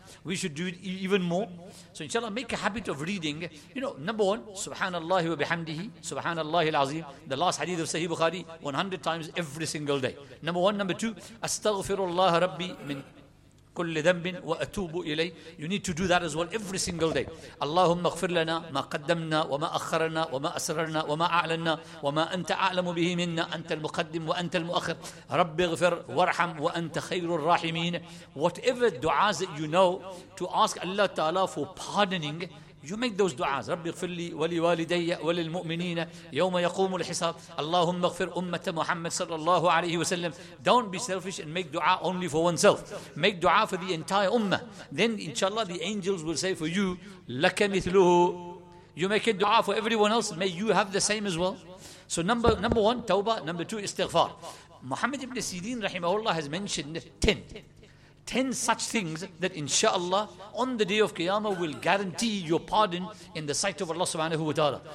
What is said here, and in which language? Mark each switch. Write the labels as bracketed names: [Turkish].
[English] We should do it even more. So inshallah, make a habit of reading. You know, number one, [Arabic] subhanallah wa bihamdihi, subhanallah al-azim, [English] the last hadith of Sahih Bukhari, 100 times every single day. Number one. Number two, [Arabic] astaghfirullah rabbi min كل ذنب وأتوب إليه. [English] You need to do that as well every single day. [Arabic] اللهم اغفر لنا ما قدمنا وما أخرنا وما أسررنا وما أعلنا وما أنت أعلم به منا. أنت المقدم وأنت المؤخر. رب اغفر وارحم وأنت خير الراحمين. [English] Whatever du'as that you know to ask Allah Ta'ala for pardoning, you make those du'as. [Arabic] رب اغفر لي ولوالدي وللمؤمنين يوم يقوم الحساب. اللهم اغفر أمة محمد صلى الله عليه وسلم. [English] Don't be selfish and make du'a only for oneself. Make du'a for the entire ummah. Then inshallah the angels will say for you, [Arabic] لك مثله. [English] You make a du'a for everyone else. May you have the same as well. So number one, tawbah. Number two, istighfar. Muhammad ibn Sirin rahimahullah has mentioned 10 such things that inshallah on the day of Qiyamah will guarantee your pardon in the sight of Allah subhanahu wa ta'ala.